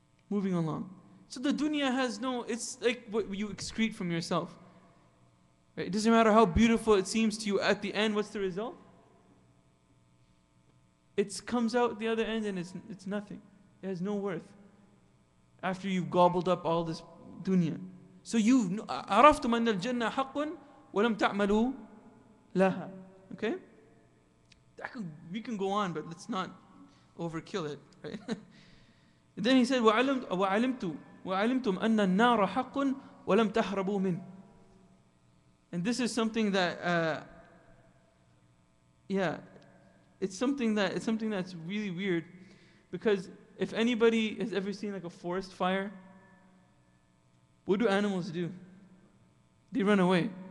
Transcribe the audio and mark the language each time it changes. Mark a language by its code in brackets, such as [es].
[en] Moving along. So the dunya has no, it's like what you excrete from yourself. Right? It doesn't matter how beautiful it seems to you, at the end, what's the result? It comes out the other end and it's nothing. It has no worth after you've gobbled up all this dunya. So you've [ar] عَرَفْتُمْ أَنَّ الْجَنَّةَ حَقٌ وَلَمْ تَعْمَلُوا لَهَا. [en] Okay? We can go on, but let's not overkill it. Right? Then he said, [ar] وَعَلِمْتُمْ أَنَّ النَّارَ حَقٌ وَلَمْ تَحْرَبُوا مِنْ. [en] And this is something that, it's something that's really weird, because if anybody has ever seen like a forest fire, what do animals do? They run away.